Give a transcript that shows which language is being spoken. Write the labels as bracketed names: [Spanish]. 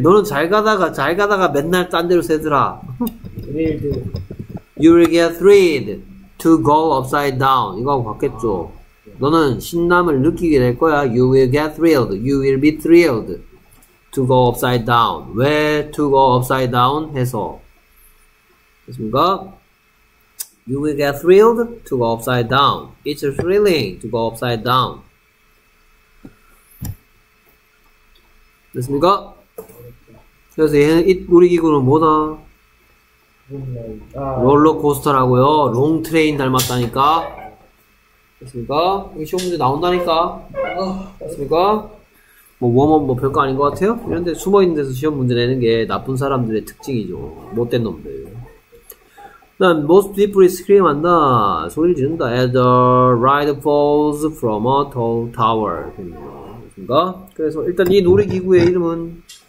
[Korean] 너는 잘 가다가 맨날 딴 데로 세더라. [English] You will get thrilled to go upside down. [Korean] 이거하고 같겠죠. 너는 신남을 느끼게 될 거야. [English] You will get thrilled. You will be thrilled to go upside down. 왜 to go upside down 해서. 됐습니까? You will get thrilled to go upside down. It's thrilling to go upside down. [Korean] 됐습니까? 그래서 얘는 우리 기구는 뭐다? 롤러코스터라고요. 롱트레인 닮았다니까. 됐습니까? 여기 시험 문제 나온다니까. 됐습니까? 뭐 웜업 뭐 별거 아닌 것 같아요? 이런데 숨어있는 데서 시험 문제 내는 게 나쁜 사람들의 특징이죠. 못된 놈들. 난 most deeply scream 한다. 소리를 지른다. [English] As the ride falls from a tall tower. [Korean] 됐습니까? 그래서 일단 이 놀이기구의 이름은